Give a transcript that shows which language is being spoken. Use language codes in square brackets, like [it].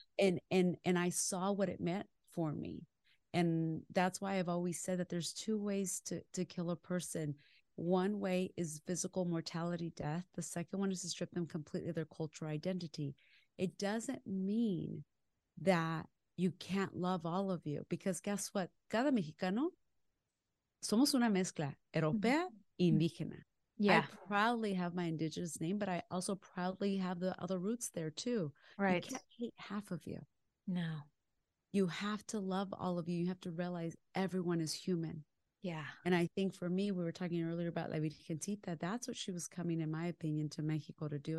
[en] And I saw what it meant for me. And that's why I've always said that there's two ways to kill a person. One way is physical mortality, death. The second one is to strip them completely of their cultural identity. It doesn't mean that you can't love all of you, because guess what? [es] Cada mexicano somos una mezcla europea e indígena. [en] Yeah. I proudly have my indigenous name, but I also proudly have the other roots there too. Right. You can't hate half of you. No. You have to love all of you. You have to realize everyone is human. Yeah. And I think for me, we were talking earlier about La Virgencita. That's what she was coming, in my opinion, to Mexico to do.